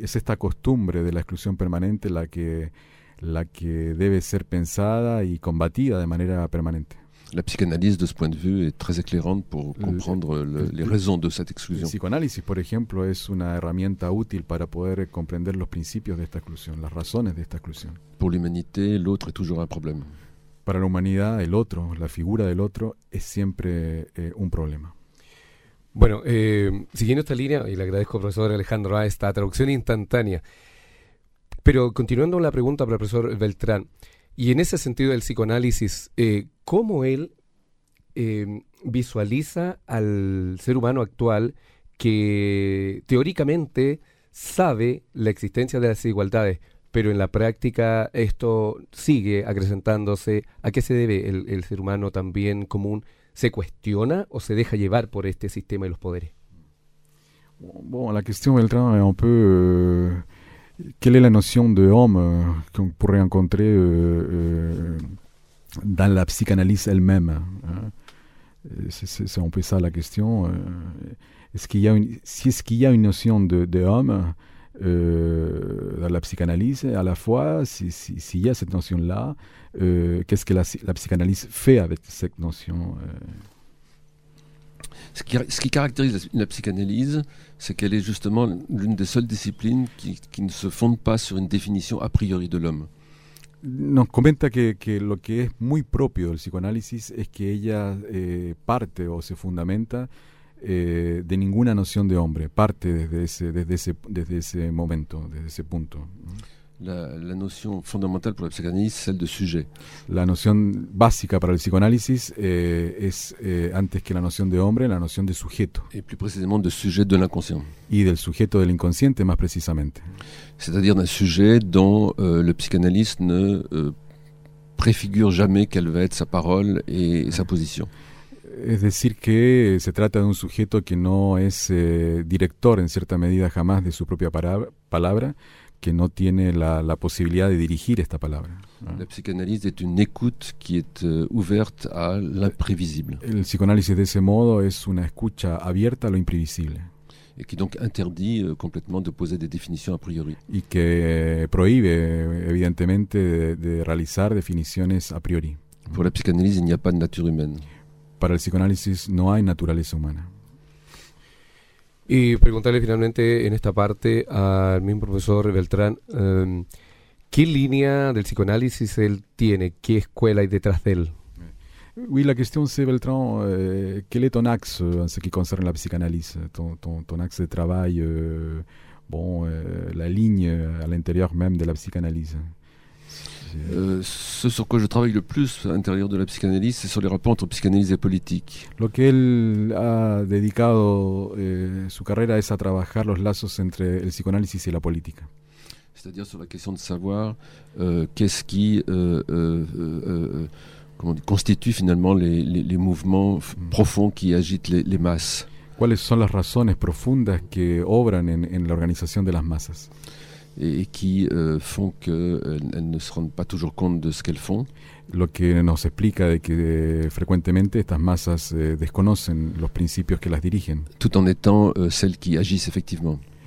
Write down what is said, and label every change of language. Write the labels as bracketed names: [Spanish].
[Spanish] Es esta costumbre de la exclusión permanente la que debe ser pensada y combatida de manera permanente. [French] La psychanalyse, de ce point de vue, est très éclairante pour comprendre les raisons de cette exclusion. [Spanish] La psychanalyse, por ejemplo, es una herramienta útil para poder comprender los principios de esta exclusión, las razones de esta exclusión. [French] Pour l'humanité, l'autre est toujours un problème. [Spanish] Para la humanidad, el otro, la figura del otro, es siempre un problema. Bueno, siguiendo esta línea, y le agradezco al profesor Alejandro a esta traducción instantánea, pero continuando con la pregunta para el profesor Beltrán, y en ese sentido del psicoanálisis, ¿cómo él visualiza al ser humano actual que teóricamente sabe la existencia de las desigualdades? Pero en la práctica esto sigue acrecentándose. ¿A qué se debe el ser humano también común? ¿Se cuestiona o se deja llevar por este sistema de los poderes? Bon, la cuestión, Beltrán, es un poco... ¿Cuál es la noción de hombre que uno podría encontrar en la psicanálisis elle-même? Es un poco esa la cuestión. Si es que hay una noción de hombre... [French] dans la psychanalyse, à la fois, s'il y a cette notion-là, qu'est-ce que la psychanalyse fait avec cette notion ce qui caractérise la psychanalyse, c'est qu'elle est justement l'une des seules disciplines qui ne se fonde pas sur une définition a priori de l'homme. [Spanish] Nos comenta que lo que es muy propio del psicoanálisis es que ella parte o se fundamenta de ninguna noción de hombre, parte desde ese momento, desde ese punto. La noción fundamental para el psicoanálisis es el de sujet. La noción básica para el psicoanálisis es antes que la noción de hombre, la noción de sujeto. Y más precisamente, de sujet de l'inconscient. Y del sujeto del inconsciente, más precisamente. [French] C'est-à-dire d'un sujet dont le psychanalyste ne préfigure jamais quelle va être sa parole et sa position. [Spanish] Es decir que se trata de un sujeto que no es director en cierta medida jamás de su propia palabra, que no tiene la posibilidad de dirigir esta palabra. [French] La psicanálisis es una écoute qui est ouverte à l'imprévisible. [Spanish] El psicoanálisis de ese modo es una escucha abierta a lo imprevisible. [French] Et qui donc interdit complètement de poser des définitions a priori. [Spanish] Y que prohíbe evidentemente de realizar definiciones a priori. [French] Pour la psicanálisis, il n'y a pas de nature humaine. [Spanish] Para el psicoanálisis no hay naturaleza humana. Y preguntarle finalmente en esta parte al mismo profesor Beltrán, ¿qué línea del psicoanálisis él tiene? ¿Qué escuela hay detrás de él? Oui, la cuestión es, Beltrán, ¿cuál es tu axe en lo que concerne la psicanálisis? Ton axe de trabajo, la línea al interior même de la psicanálisis. [French] Ce sur quoi je travaille le plus à l'intérieur de la psychanalyse, c'est sur les rapports entre psychanalyse et politique. [Spanish] Lo que él ha dedicado su carrera es a trabajar los lazos entre el psicoanálisis y la política. [French] C'est-à-dire sur la question de savoir qu'est-ce qui comment dit, constitue finalement les mouvements profonds qui agitent les masses. [Spanish] ¿Cuáles son las razones profundas que obran en la organización de las masas? [French] Et qui font qu'elles ne se rendent pas toujours compte de ce qu'elles font. [Spanish] Lo que nos explica de que frecuentemente estas masas desconocen los principios que las dirigen. [French] Tout en étant celles qui agissent effectivement.